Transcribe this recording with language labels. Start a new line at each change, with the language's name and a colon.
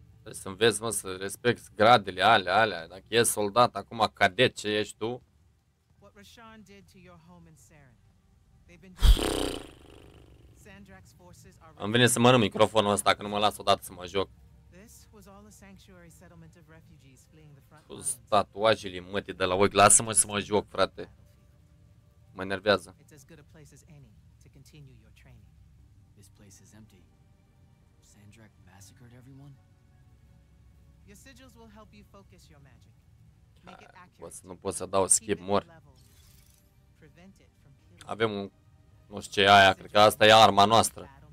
Romanian: Să înveți, mă, să respecti gradele alea, alea. Dacă e soldat, acum cadet, ce ești tu?
English: What Rashan did to your home in Saren. They've been... Sandrak's forces are...
Romanian: Am venit să mănânc microfonul ăsta, că nu mă las odată să mă joc.
English: This was all a sanctuary settlement of refugees fleeing the front lines.
Romanian: Tatuajele, mătii, de la ochi. Lasă-mă să mă joc, frate. Mă enervează.
English: It's as good a place as any to continue your training. This place is empty. Sandrak massacred everyone? Your sigils will help you focus your magic. Make it accurate. Prevent it from killing.
Romanian: Avem un, nu știu ce e aia, cred că asta e arma noastră.